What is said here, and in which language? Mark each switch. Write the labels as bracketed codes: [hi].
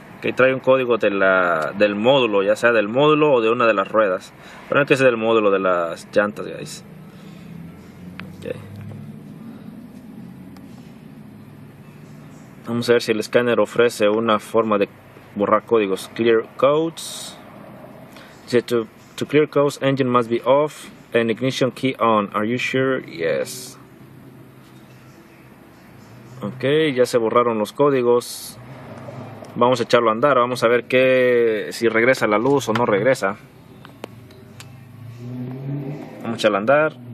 [es] Que trae un código de del módulo, ya sea del módulo o de una de las ruedas. Pero que es del módulo de las llantas, guys. Vamos a ver si el escáner ofrece una forma de borrar códigos. [en] Clear codes. Dice, to clear codes, engine must be off and ignition key on. Are you sure? Yes. [es] Ok, ya se borraron los códigos. Vamos a echarlo a andar. Vamos a ver qué, si regresa la luz o no regresa. Vamos a echarlo a andar.